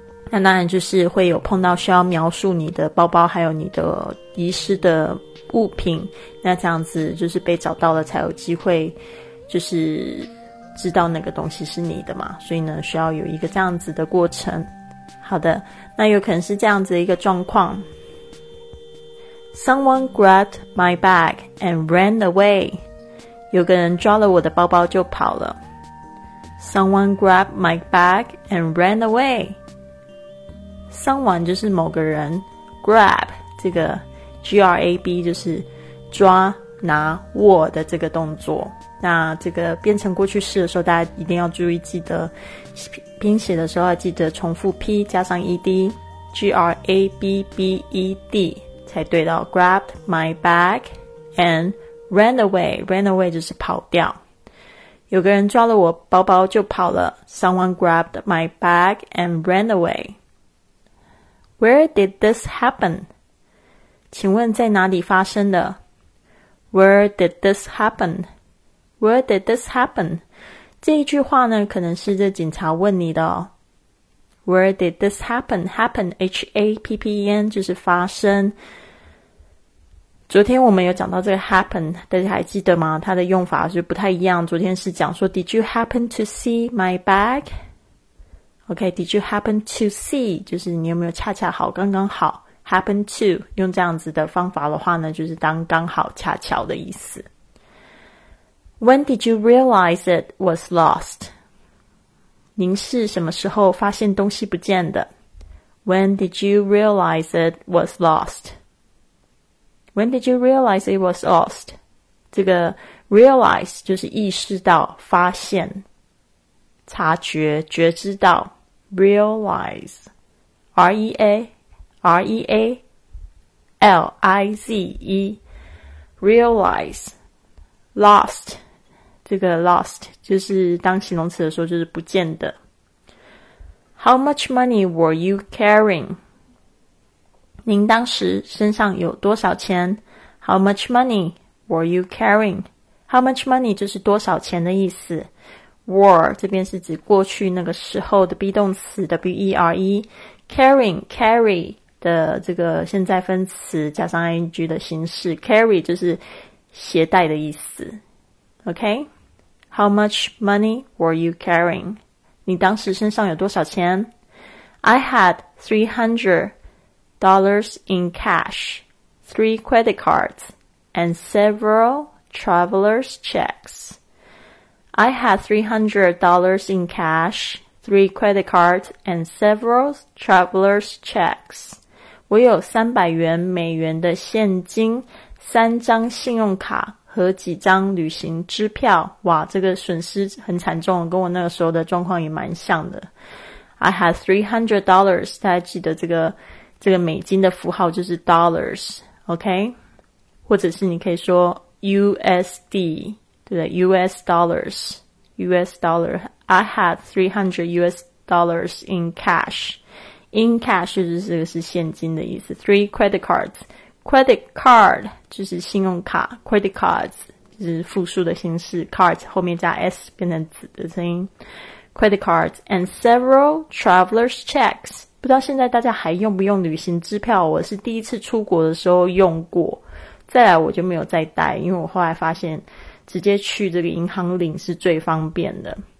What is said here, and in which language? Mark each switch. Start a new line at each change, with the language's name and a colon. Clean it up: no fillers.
Chinese: 那当然就是会有碰到需要描述你的包包还有你的遗失的物品，那这样子就是被找到了才有机会就是知道那个东西是你的嘛，所以呢需要有一个这样子的过程。好的，那有可能是这样子的一个状况。
English: Someone grabbed my bag and ran away，
Chinese: 有个人抓了我的包包就跑了。
English: Someone grabbed my bag and ran away。
Chinese: Someone 就是某个人， grab 这个 G-R-A-B 就是抓拿握的这个动作，那这个变成过去式的时候，大家一定要注意，记得拼写的时候要记得重复 P 加上 ED， G-R-A-B-B-E-D 才对到。
English: Grabbed my bag and ran away， ran away
Chinese: 就是跑掉。有个人抓了我包包就跑了，
English: Someone grabbed my bag and ran away。 Where did this happen？
Chinese: 请问在哪里发生的？
English: Where did this happen？ Where did this happen？
Chinese: 这一句话呢，可能是这警察问你的哦。
English: Where did this happen？
Chinese: Happen， H-A-P-P-E-N， 就是发生。昨天我们有讲到这个 happen， 大家还记得吗？它的用法是不太一样。昨天是讲说 ，
English: Did you happen to see my bag？ OK， Did you happen to see？
Chinese: 就是你有没有恰恰好，刚刚好 ，happen to， 用这样子的方法的话呢，就是当刚好恰巧的意思。
English: When did you realize it was lost?
Chinese: 您是什么时候发现东西不见的？
English: When did you realize it was lost? When did you realize it was lost?
Chinese: 这个 realize 就是意识到、发现、察觉、觉知到。 Realize， R-E-A-R-E-A-L-I-Z-E， Realize， Lost，这个 lost 就是当形容词的时候就是不见的。
English: How much money were you carrying?
Chinese: 您当时身上有多少钱？
English: How much money were you carrying?
Chinese: How much money 就是多少钱的意思。were 这边是指过去那个时候的 be 动词 w-e-r-e， carrying carry 的这个现在分词加上 ing 的形式， carry 就是携带的意思。
English: OK，How much money were you carrying?
Chinese: 你当时身上有多少钱？
English: I had $300 in cash, 3 credit cards, and several traveler's checks. I had $300 in cash, 3 credit cards, and several traveler's checks.
Chinese: 我有300美元的现金，三张信用卡和几张旅行支票。哇，这个损失很惨重，跟我那个时候的状况也蛮像的。
English: I had $300，
Chinese: 大家记得这个美金的符号就是 dollars， OK， 或者是你可以说 USD， 对不对？
English: US dollars， US dollar， I had $300 in cash，
Chinese: in cash 就是这个是现金的意思 three
English: credit cards credit card 就是信用卡 credit cards 就是复数的形式 cards 后面加 s 变成子的声音 credit cards and several traveler's checks
Chinese: 不知道现在大家还用不用旅行支票我是第一次出国的时候用过再来我就没有再带因为我后来发现直接去这个银行领是最方便的